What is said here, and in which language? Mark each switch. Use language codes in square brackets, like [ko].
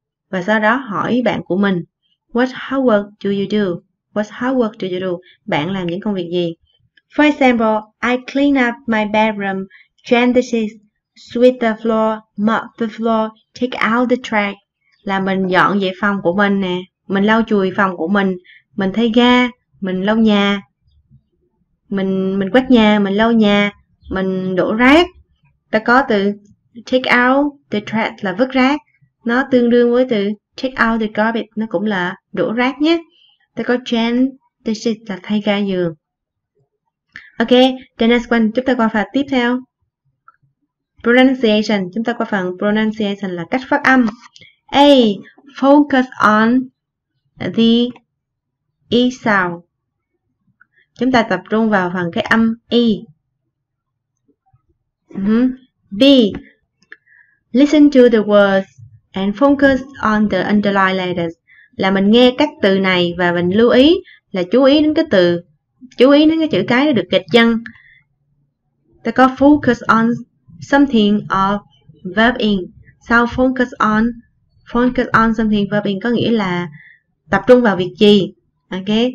[vi] Và sau đó hỏi bạn của mình. [en] What housework do you do? What housework do you do? [vi] Bạn làm những công việc gì? [en] For example, I clean up my bedroom, change the sheets, sweep the floor, mop the floor, take out the trash. [vi] Là mình dọn dẹp phòng của mình nè, mình lau chùi phòng của mình thay ga, mình lau nhà, mình quét nhà, mình lau nhà, mình đổ rác. Ta có từ [en] take out the trash [vi] là vứt rác, nó tương đương với từ [en] take out the garbage, [vi] nó cũng là đổ rác nhé. Ta có [en] change the sheets [vi] là thay ga giường. [en] Ok, the next one, [vi] chúng ta qua phần tiếp theo. Pronunciation, chúng ta qua phần pronunciation là cách phát âm. [en] A, focus on the E sound. [vi] Chúng ta tập trung vào phần cái âm E. [en] B, listen to the words and focus on the underlined letters. [vi] Là mình nghe các từ này và mình lưu ý là chú ý đến cái từ, chú ý đến cái chữ cái nó được gạch chân. Ta có [en] focus on something or verb in. [vi] Sao [en] focus on? Focus on something verb in [vi] có nghĩa là tập trung vào việc gì. Ok.